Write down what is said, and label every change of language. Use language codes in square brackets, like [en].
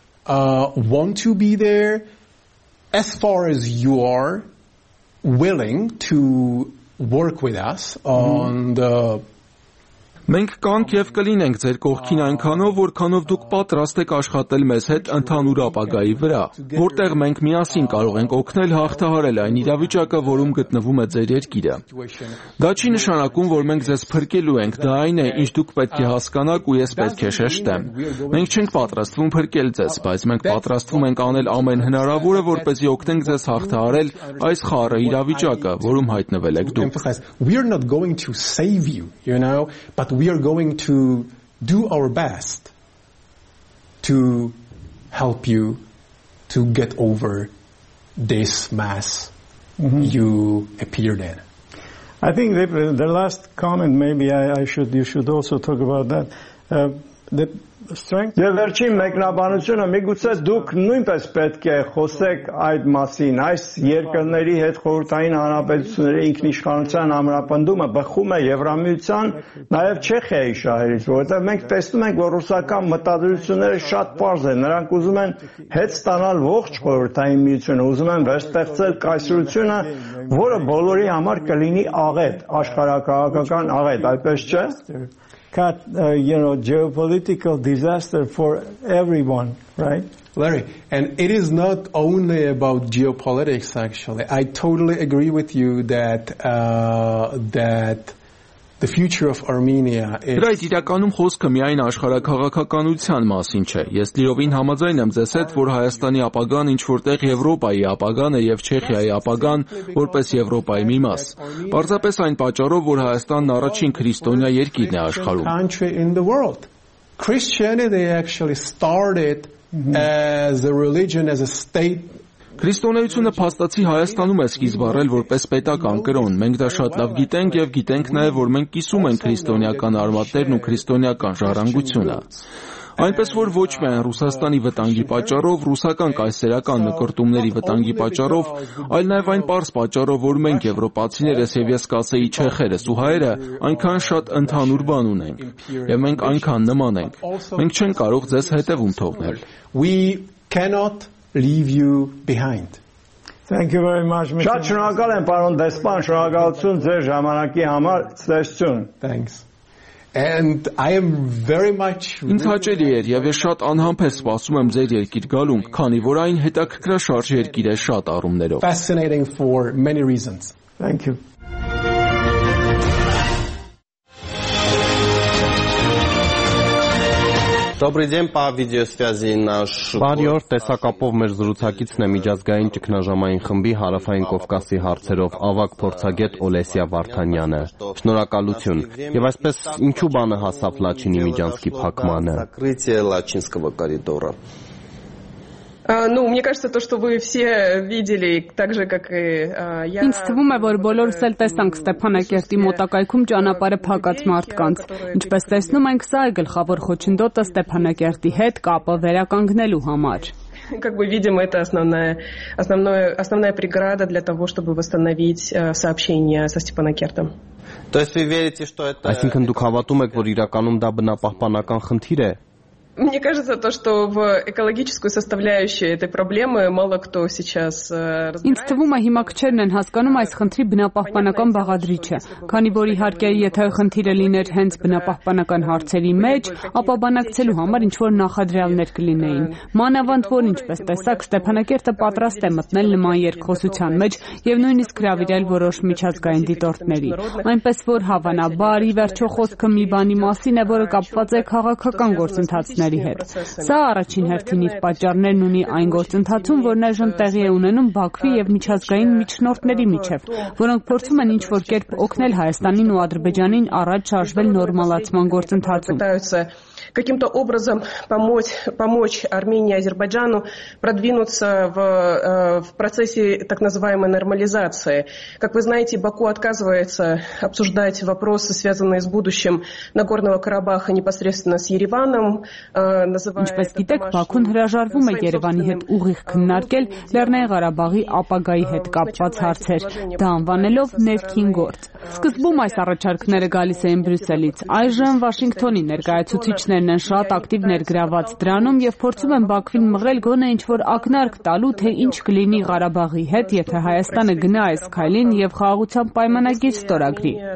[en] That's not true. We are there and we will want to be there as far as you are willing to work with us on the [hy] Մենք կանք եւ կլինենք ձեր կողքին այնքանով, որքանով դուք պատրաստ եք աշխատել մեզ հետ ընդհանուր ապագայի վրա, որտեղ մենք միասին կարող ենք օգնել հաղթահարել այն իրավիճակը, որում գտնվում է ձեր երկիրը։ Դա չի նշանակում, որ մենք ձեզ փրկելու ենք, դա այն է, ինչ դուք պետք է հասկանաք ու ես պետք է շեշտեմ։ Մենք չենք պատրաստվում փրկել ձեզ, բայց մենք պատրաստվում ենք անել ամեն հնարավորը, որպեսզի օգնենք ձեզ հաղթահարել այս խառը իրավիճակը, որում հայտնվել եք դուք։ [en] We are going to do our best to help you to get over this mess you appeared in. I think the last comment, maybe you should also talk about that. The strength. [hy] Եվ վերջին մեկնաբանությունը, միգուցե դուք նույնպես պետք է խոսեք այդ մասին, այս երկրների հետ խորհրդային հանրապետությունների ինքնիշխանության համապնդումը բխում է Եվրամիության, նաև Չեխիայի շահերից, որովհետև մենք տեսնում ենք, որ ռուսական մտադրությունները շատ պարզ են, նրանք ուզում են հետ ստանալ ողջ խորհրդային միությունը, ուզում են վերստեղծել կայսրությունը, որը բոլորի համար կլինի աղետ, աշխարհակահաղական աղետ, այսպես չէ՞։ [en] Cut, you know, geopolitical disaster for everyone, right? Larry, and it is not only about geopolitics, actually. I totally agree with you that that the future of Armenia is... [hy] Դրա իրականում խոսքը միայն աշխարհակաղաքականության մասին չէ։ Ես լիովին համաձայն եմ ձեզ հետ, որ Հայաստանի ապագան ինչ-որտեղ Եվրոպայի ապագան է եւ Չեխիայի ապագան որպես Եվրոպայի մի մաս։ Պարզապես այն պատճառով, որ Հայաստանն առաջին քրիստոնյա երկիրն է աշխարհում։ [en] Christianity actually started as a religion, as a state. [hy] Քրիստոնեությունը փաստացի Հայաստանում է սկիզբ առել որպես պետական կրոն։ Մենք դա շատ լավ գիտենք եւ գիտենք նաեւ, որ մենք կիսում ենք քրիստոնեական արմատներն ու քրիստոնեական ժառանգությունը։ Այնպես որ ոչ միայն Ռուսաստանի վտանգի պատճառով, ռուսական կայսերական նկարտումների վտանգի պատճառով, այլ նաև այն պարզ պատճառով, որ մենք եվրոպացիներս եւ ես կասեի չեխերս ու հայերը այնքան շատ ընդհանուր բան ունենք եւ մենք այնքան նման ենք, մենք չենք կարող ձեզ հետևում թողնել։ [en] We cannot leave you behind. Thank you very much, Mr. [hy] Շատ շնորհակալ եմ, պարոն Դեսպան, շնորհակալություն ձեր ժամանակի համար, ծեսություն. [en] Thanks. And I am very much [hy] Ինձ հաճելի էր եւ ես շատ անհամբեր սպասում եմ ձեր երկիր գալուն, քանի որ այն հետաքրքրաշարժ երկիր է շատ առումներով. [en] Fascinating for many reasons. Thank you. [ru] Добрый день, по видеосвязи наш [hy] Բարիօր, տեսակապով մեր զրուցակիցն է միջազգային ճգնաժամային խմբի Հարավային Կովկասի հարցերով ավակ փորձագետ Օլեսիա Վարդանյանը։ Շնորհակալություն։ Եվ այսպես ինչու բանը հասավ Լաչինի միջանցքի փակմանը։ [ru] Ну, мне кажется, то, что вы все видели, так же как и я. [hy] Ինձ թվում է, որ բոլորս էլ տեսանք Ստեփանակերտի մոտակայքում ճանապարհը փակած մարդկանց։ Ինչպես տեսնում ենք, սա է գլխավոր խոչընդոտը Ստեփանակերտի հետ կապը վերականգնելու համար։ [ru] Как бы видим, это основная преграда для того, чтобы восстановить сообщение со Степанакертом. То есть вы верите, что это [hy] Այսինքն դուք հավատում եք, որ իրականում դա բնապահպանական խնդիր է։ [ru] Мне кажется, то, что в экологическую составляющую этой проблемы мало кто сейчас разбирается. [hy] Ինձ թվում է, հիմա քչերն են հասկանում այս խնդրի բնապահպանական բաղադրիչը, քանի որ իհարկե, եթե խնդիրը լիներ հենց բնապահպանական հարցերի մեջ, ապա բանակցելու համար ինչ-որ նախադրյալներ կլինեին։ Մանավանդ որ ինչպես տեսակ Ստեփանակերտը պատրաստ է մտնել նման երկխոսության մեջ եւ նույնիսկ հրավիրել որոշ միջազգային դիտորդների։ Այնպես որ հավանաբար ի վերջո խոսքը մի բանի մասին է, որը կապված է քաղաքական գործընթացի ների հետ։ Սա առաջին հերթին իր պատճառներն ունի այն գործընթացում, որն այժմ տեղի է ունենում Բաքվի եւ միջազգային միջնորդների միջև, որոնք փորձում են ինչ-որ կերպ օգնել Հայաստանին ու Ադրբեջանին առաջ շարժվել նորմալացման գործընթացում։ [ru] Каким-то образом помочь Армении и Азербайджану продвинуться в процессе так называемой нормализации. Как вы знаете, Баку отказывается обсуждать вопросы, связанные с будущим Нагорного Карабаха непосредственно с Ереваном. [hy] Ինչպես գիտեք, Բաքուն հրաժարվում է Երևանի հետ ուղիղ քննարկել Լեռնային Ղարաբաղի ապագայի հետ կապված հարցեր, դա անվանելով ներքին գործ։ Սկզբում այս առաջարկները գալիս էին Բրյուսելից, այժմ Վաշինգտոնի ներկայացուցիչ են շատ ակտիվ ներգրաված դրանում եւ փորձում են Բաքվին մղել գոնե ինչ-որ ակնարկ տալու, թե ինչ կլինի Ղարաբաղի հետ, եթե Հայաստանը գնա այս քայլին եւ խաղաղության պայմանագիր ստորագրի։